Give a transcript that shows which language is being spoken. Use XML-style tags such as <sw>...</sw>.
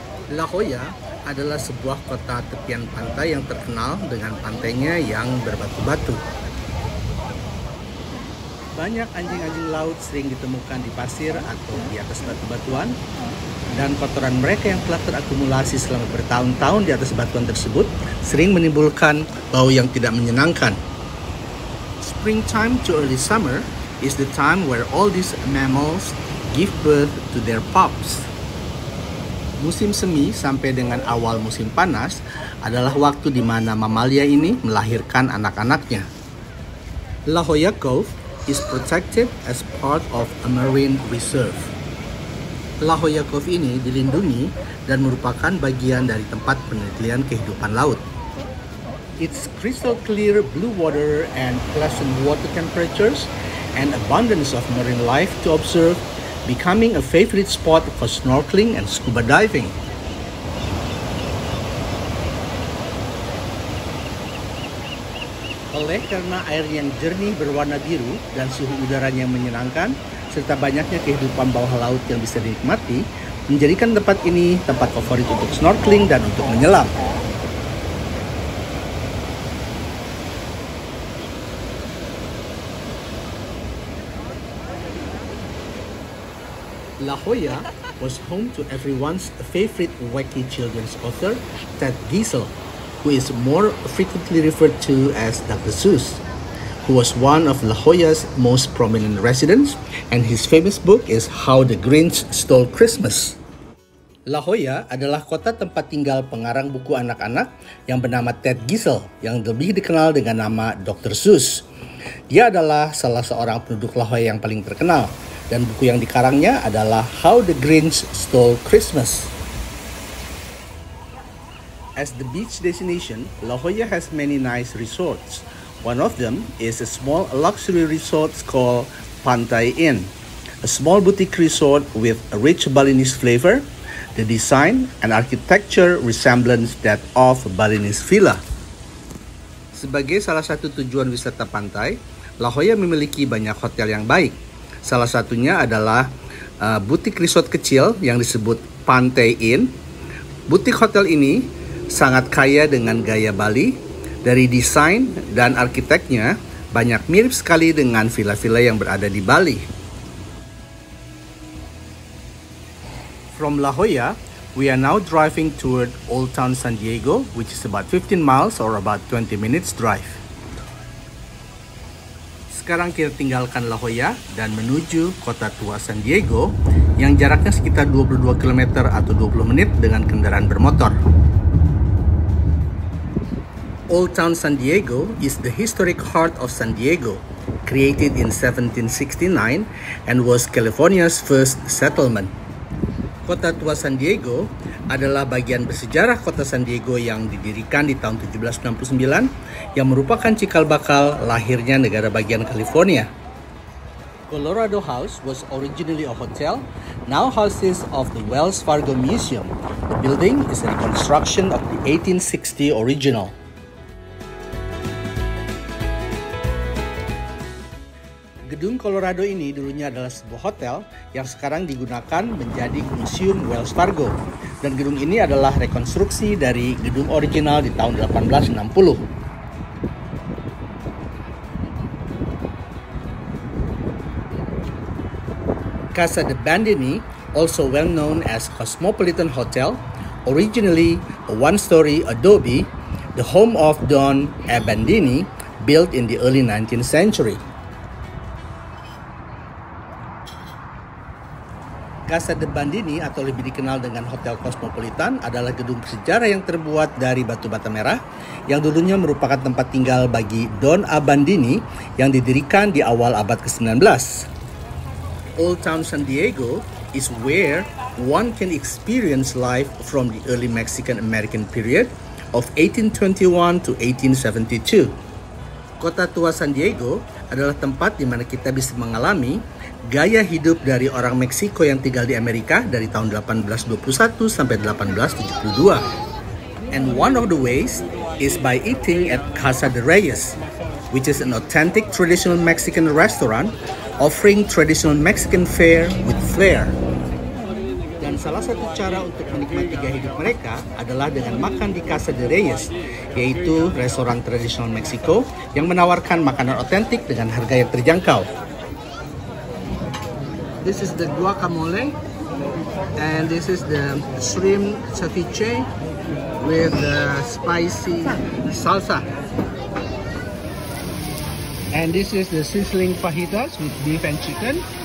<id>La Jolla adalah sebuah kota tepian pantai yang terkenal dengan pantainya yang berbatu-batu. Banyak anjing-anjing laut sering ditemukan di pasir atau di atas batu-batuan, dan kotoran mereka yang telah terakumulasi selama bertahun-tahun di atas batuan tersebut sering menimbulkan bau yang tidak menyenangkan.</id> <en>Springtime to early summer is the time where all these mammals give birth to their pups.</en> <id>Musim semi sampai dengan awal musim panas adalah waktu di mana mamalia ini melahirkan anak-anaknya.</id> <en>La Jolla Cove is protected as part of a marine reserve.</en> <id>La Jolla Cove ini dilindungi dan merupakan bagian dari tempat penelitian kehidupan laut.</id> <en>Its crystal clear blue water and pleasant water temperatures and abundance of marine life to observe, becoming a favorite spot for snorkeling and scuba diving.</en> <id>Oleh karena air yang jernih berwarna biru dan suhu udaranya yang menyenangkan, serta banyaknya kehidupan bawah laut yang bisa dinikmati, menjadikan tempat ini tempat favorit untuk snorkeling dan untuk menyelam.</id> <en>La Jolla was home to everyone's favorite wacky children's author, Ted Geisel, who is more frequently referred to as Dr. Seuss, who was one of La Jolla's most prominent residents, and his famous book is How the Grinch Stole Christmas.</en> <id>La Jolla adalah kota tempat tinggal pengarang buku anak-anak yang bernama Ted Geisel, yang lebih dikenal dengan nama Dr. Seuss. Dia adalah salah seorang penduduk La Jolla yang paling terkenal, dan buku yang dikarangnya adalah How the Grinch Stole Christmas.</id> <en>As the beach destination, La Jolla has many nice resorts. One of them is a small luxury resort called Pantai Inn, a small boutique resort with a rich Balinese flavor, the design and architecture resemblance that of a Balinese villa.</en> <id>Sebagai salah satu tujuan wisata pantai, La Jolla memiliki banyak hotel yang baik. Salah satunya adalah butik resort kecil yang disebut Pantai Inn. Butik hotel ini sangat kaya dengan gaya Bali. Dari desain dan arsiteknya banyak mirip sekali dengan villa-villa yang berada di Bali.</id> <en>From La Jolla, we are now driving toward Old Town San Diego, which is about 15 miles or about 20 minutes drive.</en> <id>Sekarang kita tinggalkan La Jolla dan menuju kota tua San Diego yang jaraknya sekitar 22 km atau 20 menit dengan kendaraan bermotor.</id> <en>Old Town San Diego is the historic heart of San Diego, created in 1769 and was California's first settlement.</en> <id>Kota tua San Diego adalah bagian bersejarah kota San Diego yang didirikan di tahun 1769 yang merupakan cikal bakal lahirnya negara bagian California.</id> <en>Colorado House was originally a hotel, now houses of the Wells Fargo Museum. The building is a reconstruction of the 1860 original.</en> <id>Gedung Colorado ini dulunya adalah sebuah hotel yang sekarang digunakan menjadi Museum Wells Fargo. Dan gedung ini adalah rekonstruksi dari gedung original di tahun 1860.</id> <en>Casa de Bandini, also well known as Cosmopolitan Hotel, originally a one-story adobe, the home of Don Abbandini, built in the early 19th century.</en> <id>Casa de Bandini atau lebih dikenal dengan Hotel Cosmopolitan adalah gedung bersejarah yang terbuat dari batu bata merah yang dulunya merupakan tempat tinggal bagi Don Abbandini yang didirikan di awal abad ke-19.</id> <en>Old Town San Diego is where one can experience life from the early Mexican-American period of 1821 to 1872.</en> <id>Kota Tua San Diego adalah tempat di mana kita bisa mengalami gaya hidup dari orang Meksiko yang tinggal di Amerika dari tahun 1821 sampai 1872.</id> <en>And one of the ways is by eating at Casa de Reyes, which is an authentic traditional Mexican restaurant offering traditional Mexican fare with flair.</en> <id>Dan salah satu cara untuk menikmati gaya hidup mereka adalah dengan makan di Casa de Reyes, yaitu restoran tradisional Meksiko yang menawarkan makanan otentik dengan harga yang terjangkau.</id> <en>This is the guacamole, and this is the shrimp ceviche with the spicy salsa. And this is the sizzling fajitas with beef and chicken.</en>